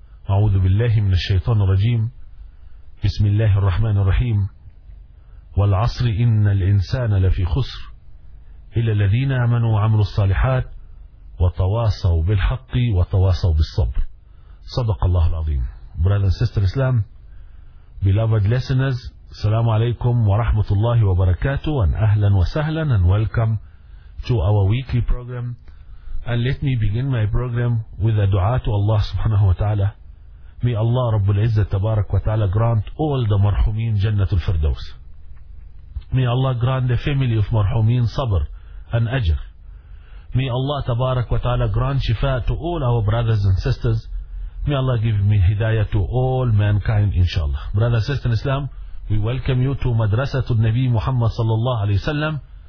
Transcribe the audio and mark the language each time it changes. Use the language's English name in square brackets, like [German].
[Arabic] أعوذ بالله من الشيطان الرجيم، بسم الله الرحمن الرحيم. والعصر إن الإنسان لفي خسر إلا الذين آمنوا وعملوا الصالحات وتواصوا بالحق وتواصوا بالصبر. صدق الله العظيم. [English] Brother and sister Islam, beloved listeners, [Arabic] السلام عليكم ورحمة الله وبركاته، [English] and [Arabic] أهلا وسهلا [English] and welcome to our weekly program. And let me begin my program with a دعاء to Allah سبحانه وتعالى. May Allah رب العزة تبارك وتعالى grant all the مرحومين جنة الفردوس. May Allah grant the family of marhumin sabr and ajr. May Allah tabarak wa ta'ala grant shifa to all our brothers and sisters. May Allah give me hidayah to all mankind inshallah. Brother and sister in Islam, we welcome you to Madrasatul Nabi Muhammad sallallahu alayhi wa sallam.